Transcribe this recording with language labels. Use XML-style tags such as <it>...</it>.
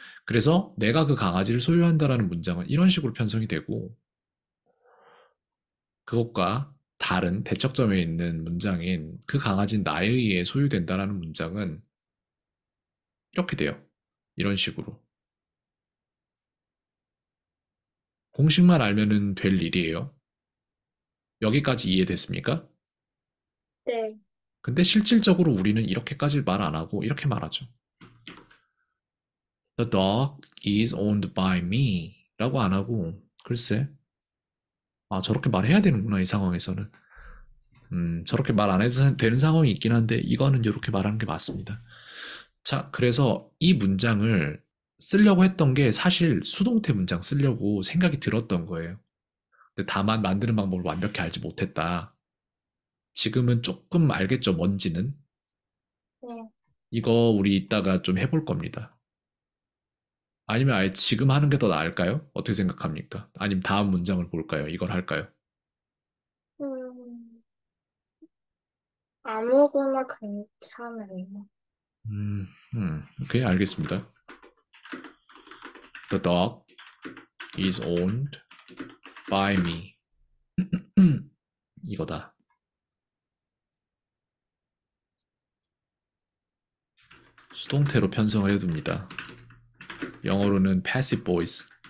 <ko>그래서 내가 그 강아지를 소유한다라는 문장은 이런 식으로 편성이 되고 그것과 다른 대척점에 있는 문장인 그 강아지는 나에 의해 소유된다라는 문장은 이렇게 돼요. 이런 식으로. 공식만 알면 될 일이에요. 여기까지 이해됐습니까? 네. 근데 실질적으로 우리는 이렇게까지 말안 하고 이렇게 말하죠.</ko> <en>The dog is owned by me</en> <ko>라고 안 하고, 글쎄. 아, 저렇게 말해야 되는구나, 이 상황에서는. 저렇게 말안 해도 되는 상황이 있긴 한데, 이거는 이렇게 말하는 게 맞습니다. 자, 그래서 이 문장을 쓰려고 했던 게 사실 수동태 문장 쓰려고 생각이 들었던 거예요. 근데 다만 만드는 방법을 완벽히 알지 못했다. 지금은 조금 알겠죠, 뭔지는? 이거 우리 이따가 좀 해볼 겁니다. 아니면 아예 지금 하는 게더 나을까요? 어떻게 생각합니까? 아니면 다음 문장을 볼까요? 이걸 할까요? 아무거나 괜찮아요. 오케이, 알겠습니다.</ko> <en>The dog is owned by me.</en> <ko>이거다. 수동태로 편성을 해둡니다. 영어로는 passive voice.</ko>